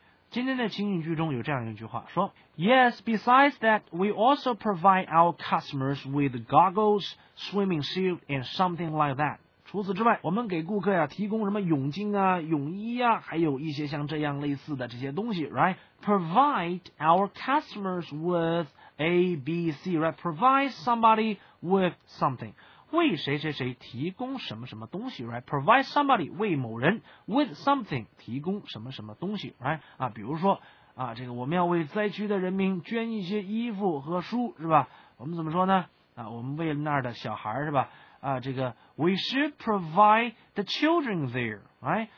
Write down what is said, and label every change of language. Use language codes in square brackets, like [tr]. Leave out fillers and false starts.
[zh] 今天的情景剧中有这样一句话说 [en] ：Yes, besides that, we also provide our customers with goggles, swimming suit, and something like that. [zh] 除此之外，我们给顾客呀、啊、提供什么泳镜啊、泳衣啊，还有一些像这样类似的这些东西 ， [en] right? Provide our customers with A, B, C, right? Provide somebody with something. [zh] 为谁谁谁提供什么什么东西 [en] ，right? Provide somebody [zh] 为某人 [en] with something [zh] 提供什么什么东西 [en] ，right? [zh] 啊，比如说啊，这个我们要为灾区的人民捐一些衣服和书，是吧？我们怎么说呢？啊，我们为那儿的小孩是吧？啊，这个 [en] we should provide the children there, right?